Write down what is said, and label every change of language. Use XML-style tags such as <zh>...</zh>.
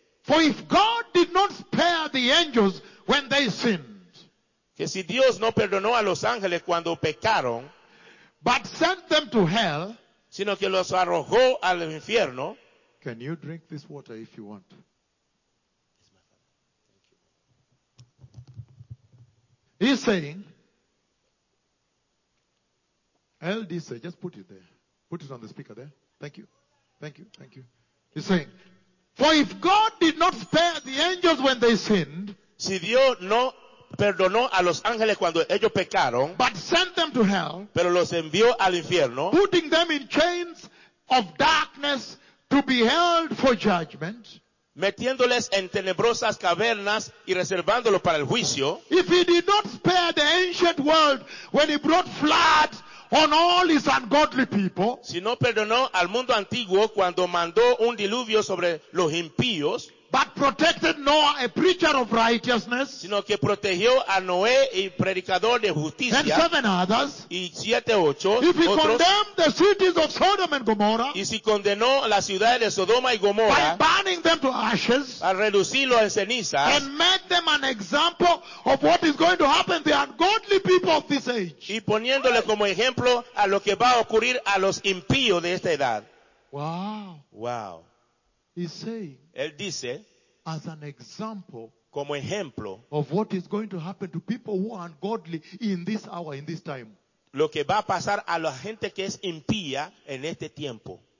<en>for if God did not spare the angels when they sinned,</en> <es>que si Dios no perdonó a los ángeles cuando pecaron,</es> <en>but sent them to hell,</en> <es>sino que los arrojó al infierno.</es> <en>Can you drink this water if you want? He's saying, LDC, just put it there. Put it on the speaker there. Thank you. Thank you. Thank you. He's saying, for if God did not spare the angels when they sinned,</en> <es>si Dios no perdonó a los ángeles cuando ellos pecaron,</es> <en>but sent them to hell,</en> <es>pero los envió al infierno,</es> <en>putting them in chains of darkness to be held for judgment,</en> <es>metiéndoles en tenebrosas cavernas y reservándolos para el juicio,</es> <en>if he did not spare the ancient world when he brought floods on all his ungodly people,</en> <es>si no perdonó al mundo antiguo cuando mandó un diluvio sobre los impíos,</es> <en>but protected Noah, a preacher of righteousness,</en> <es>sino que protegió a Noé, y predicador de justicia,</es> <en>and seven others,</en> <es>y siete, ocho,</es> <en>if he</en> <es>otros,</es> <en>condemned the cities of Sodom and Gomorrah,</en> <es>y si condenó las ciudades de Sodoma y Gomorra,</es> <en>by burning them to ashes,</en> <es>a reducirlo en cenizas,</es> <en>and made them an example of what is going to happen to the ungodly people of this age,</en> <es>y poniéndole right. Como ejemplo a lo que va a ocurrir a los impíos de esta edad.</es> <en>Wow. Wow. He's saying,</en> <es>él dice,</es> <en>as an example,</en> <es>como ejemplo,</es> <en>of what is going to happen to people who are ungodly in this hour, in this time.</en> <es>Lo que va a pasar a la gente que es impía en este tiempo.</es>